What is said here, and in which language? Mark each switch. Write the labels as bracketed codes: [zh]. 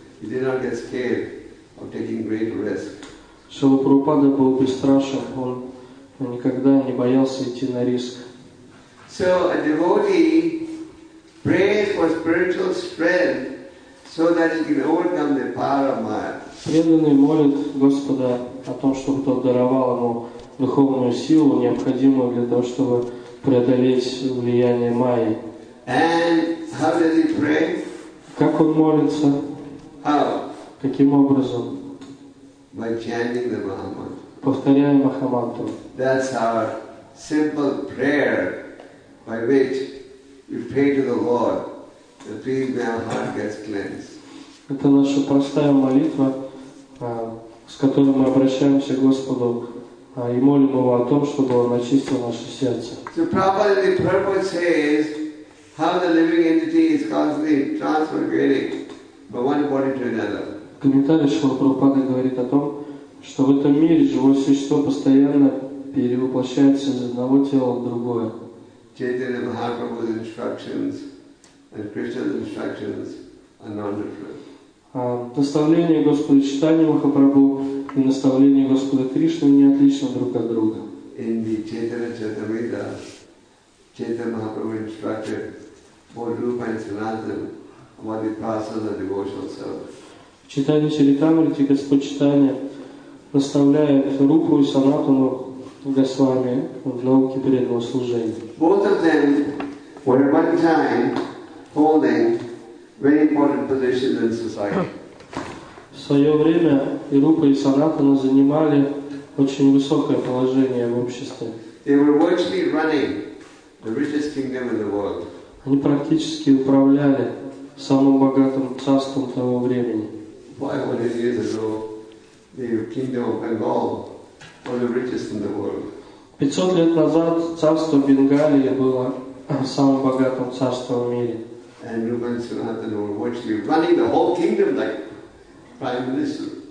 [en] He did not get scared of taking great risks. [ru] Шрила Прабхупада был бесстрашен. Он никогда не боялся идти на риск. [en] So a devotee prays for spiritual strength so that he can overcome the power of Maya. [ru] Преданный молит Господа о том, чтобы Тот даровал ему духовную силу, необходимую для того, чтобы преодолеть влияние Майи. [en] And how does he pray? [ru] Как он молится? [en] How? [ru] Каким образом? [en] By chanting the Mahamantra. [ru] Повторяя Махамантру. [en] That's our simple prayer by which we pray to the Lord that please may our heart gets cleansed. [ru] Это наша простая молитва, с которым мы обращаемся к Господу и молим Его о том, чтобы Он очистил наше сердце. [en] So Prabhupada, the purpose says how the living entity is constantly transmigrating from one body to another. [ru] Комментарий Шрилы Прабхупады говорит о том, что в этом мире живое существо постоянно перевоплощается из одного тела в другое. [en] Chaitanya Mahaprabhu's instructions and Krishna's instructions are non-different. [ru] Наставление Господа Чайтаньи Махапрабху и наставление Господа Кришны не отличны друг от друга. [en] In the Chaitanya Charitamrita, Chaitanya Mahaprabhu instructed both Rupa and Sanatana about the process of devotional service. [ru] В Чайтанье Чаритамрите Господь Чайтанья наставляет Рупу и Санатану Госвами в науке преданного служения. [en] Both of them were at one time holding very important positions in society. [ru] В свое время и Рупа, и Санатана занимали очень высокое положение в обществе. [en] They were virtually running the richest kingdom in the world. [ru] Они практически управляли самым богатым царством того времени. [en] 500 years ago, the kingdom of Bengal was the richest in the world. [ru] 500 лет назад царство Бенгалии было самым богатым царством в мире. [en] And Rupa and Sanatana were virtually running the whole kingdom like prime minister.